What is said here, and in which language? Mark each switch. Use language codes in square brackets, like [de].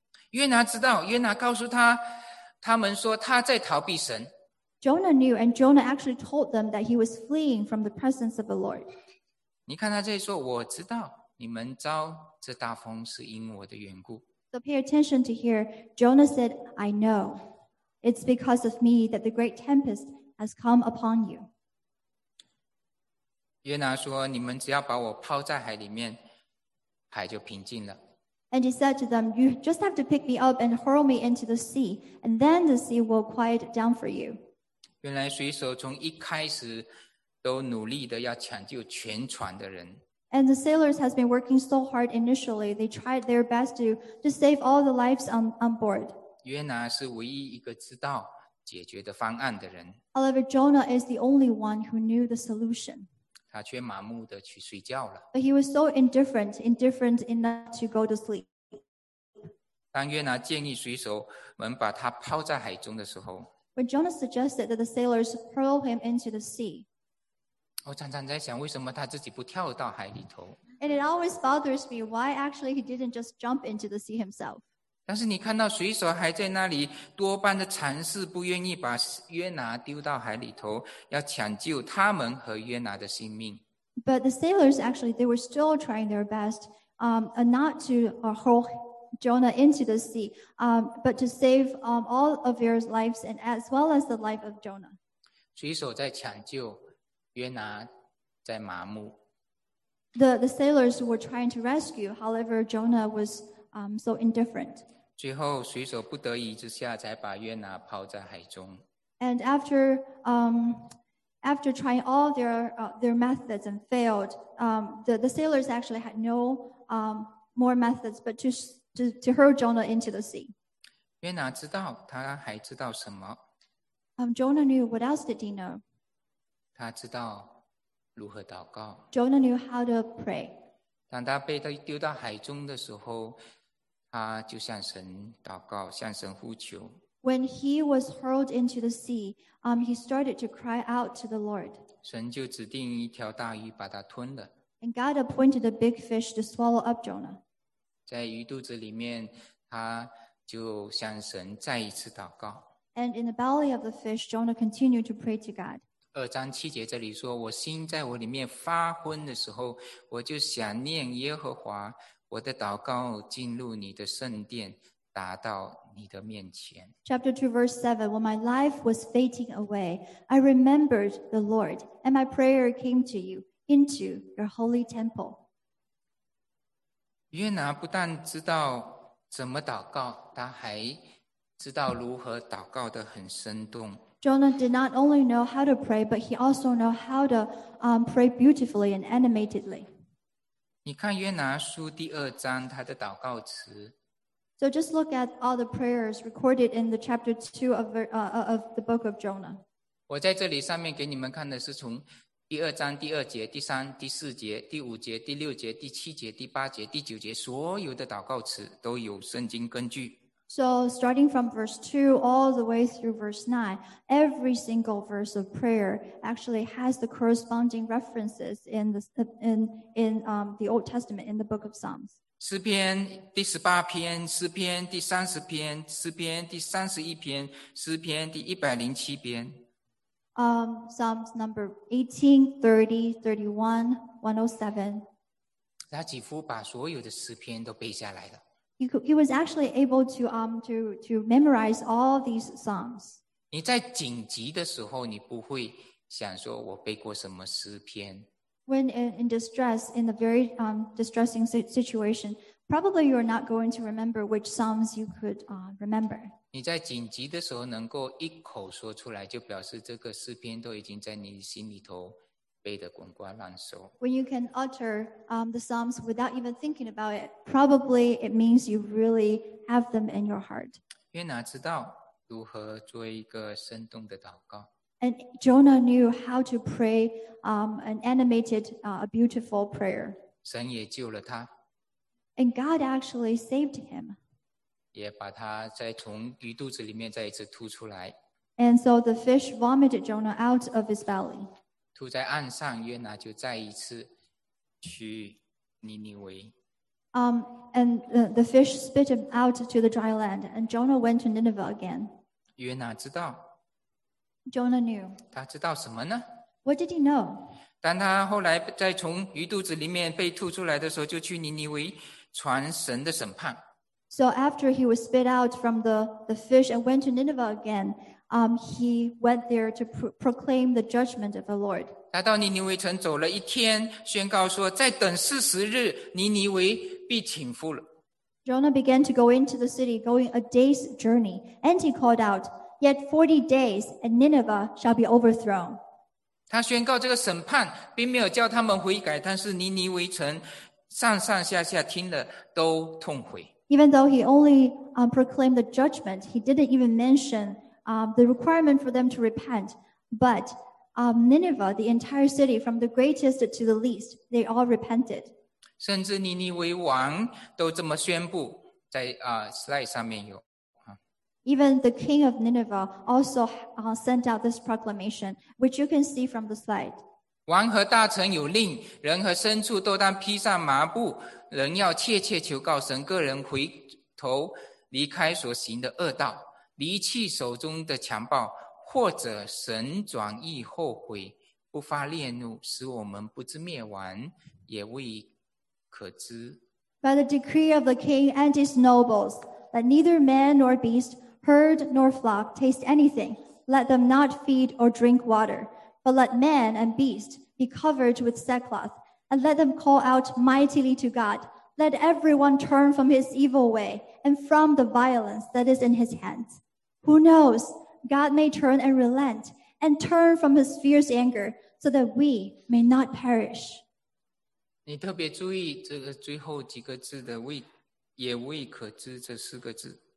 [zh] 约拿知道，约拿告诉他，他们说他在逃避神。 [en] Jonah knew, and Jonah actually told them that he was fleeing from the presence of the Lord. [zh] 你看他这里说，我知道你们遭这大风是因我的缘故。 [en] So pay attention to here. Jonah said, I know. It's because of me that the great tempest has come upon you. [zh] 约拿说，你们只要把我抛在海里面，海就平静了。 [en] And he said to them, you just have to pick me up and hurl me into the sea, and then the sea will quiet down for you. [zh] 原来水手从一开始都努力的要抢救全船的人。 [en] And the sailors has been working so hard initially. They tried their best to save all the lives on board. [zh] 约拿是唯一一个知道解决的方案的人。 [en] However, Jonah is the only one who knew the solution. [zh] 他却麻木的去睡觉了。 [en] But he was so indifferent enough to go to sleep. [zh] 当约拿建议水手们把他抛在海中的时候， [en] When Jonah suggested that the sailors hurl him into the sea. [zh] 我常常在想，为什么他自己不跳到海里头？ [en] And it always bothers me why actually he didn't just jump into the sea himself. [zh] 但是你看到水手还在那里多半的尝试，不愿意把约拿丢到海里头，要抢救他们和约拿的性命。 [en] But the sailors actually they were still trying their best, not to hurl Jonah into the sea, but to save all of their lives and as well as the life of Jonah. [zh] 水手在抢救。约拿在麻木。 [en] The sailors were trying to rescue, however, Jonah was so indifferent. [zh] 最后水手不得已之下才把约拿抛在海中。 [en] And after trying all their methods and failed, the sailors actually had no more methods but to hurl Jonah into the sea. [zh] 约拿知道，他还知道什么？ [en] Jonah knew. What else did he know? [zh] 他知道如何祷告。 [en] Jonah knew how to pray. [zh] 当他被丢到海中的时候，他就向神祷告，向神呼求。 [en] When he was hurled into the sea, he started to cry out to the Lord. [zh] 神就指定一条大鱼把他吞了。 [en] And God appointed a big fish to swallow up Jonah. [zh] 在鱼肚子里面，他就向神再一次祷告。 [en] And in the belly of the fish, Jonah continued to pray to God. [zh] 二章七节这里说，我心在我里面发昏的时候，我就想念耶和华，我的祷告进入你的圣殿，达到你的面前。 [en] Chapter 2, verse 7, when my life was fading away, I remembered the Lord, and my prayer came to you, into your holy temple. [zh] 约拿不但知道怎么祷告，他还知道如何祷告得很生动。 [en] Jonah did not only know how to pray, but he also knew how to pray beautifully and animatedly. [zh] 你看约拿书第二章他的祷告词。 [en] So just look at all the prayers recorded in the chapter 2 of the book of Jonah. [zh] 我在这里上面给你们看的是从第二章第二节、第三、第四节、第五节、第六节、第七节、第八节、第九节，所有的祷告词都有圣经根据。 [en] So starting from verse 2 all the way through verse 9, every single verse of prayer actually has the corresponding references in the Old Testament, in the book of Psalms. [zh] 诗篇第十八篇，诗篇第三十篇，诗篇第三十一篇，诗篇第一百零七篇。 [en] Psalms number 18, 30, 31, 107. [zh] 他几乎把所有的诗篇都背下来了。 [en] He was actually able to memorize all these psalms. [zh] 你在紧急的时候，你不会想说我背过什么诗篇。 [en] When in distress, in a very distressing situation, probably you are not going to remember which psalms you could remember. [zh] 你在紧急的时候能够一口说出来，就表示这个诗篇都已经在你心里头背得滚瓜烂熟。 [en] When you can utter the psalms without even thinking about it, probably it means you really have them in your heart. [zh] 约拿知道如何做一个生动的祷告。 [en] And Jonah knew how to pray an animated, a beautiful prayer. [zh] 神也救了他。 [en] And God actually saved him. [zh] 也把他再从鱼肚子里面再一次吐出来。 [en] And so the fish vomited Jonah out of his belly. [zh] 吐在岸上，约拿就再一次去尼尼微。 [en] And the fish spit him out to the dry land, and Jonah went to Nineveh again. [zh] 约拿知道。 [en] Jonah knew. [zh] 他知道什么呢？ [en] What did he know? [zh] 当他后来在从鱼肚子里面被吐出来的时候，就去尼尼微传神的审判。 [en] So after he was spit out from the fish and went to Nineveh again, he went there to proclaim the judgment of the Lord. [zh] 他到尼尼微城走了一天，宣告说，再等四十日，尼尼微必倾覆了。 [en] Jonah began to go into the city, going a day's journey, and he called out, Yet 40 days, and Nineveh shall be overthrown. [zh] 他宣告这个审判，并没有叫他们悔改，但是尼尼微城上上下下听了都痛悔。 [en] Even though he only proclaimed the judgment, he didn't even mention the requirement for them to repent. But Nineveh, the entire city, from the greatest to the least, they all repented. [zh] 甚至尼尼微王都这么宣布，在slide 上面有。 [en] Even the king of Nineveh also sent out this proclamation, which you can see from the slide. [zh] 王和大臣有令，人和牲畜都当披上麻布，人要切切求告神，个人回头离开所行的恶道，离弃手中的强暴，或者神转意后悔，不发烈怒，使我们不知灭亡，也未可知。 [en] By the decree of the king and his nobles, that neither man nor beast herd nor flock taste anything, let them not feed or drink water, but let man and beast be covered with sackcloth, and let them call out mightily to God, Let everyone turn from his evil way and from the violence that is in his hands. Who knows? God may turn and relent and turn from his fierce anger so that we may not perish. [zh] 你特别注意这个最后几个字的未也未可知这四个字。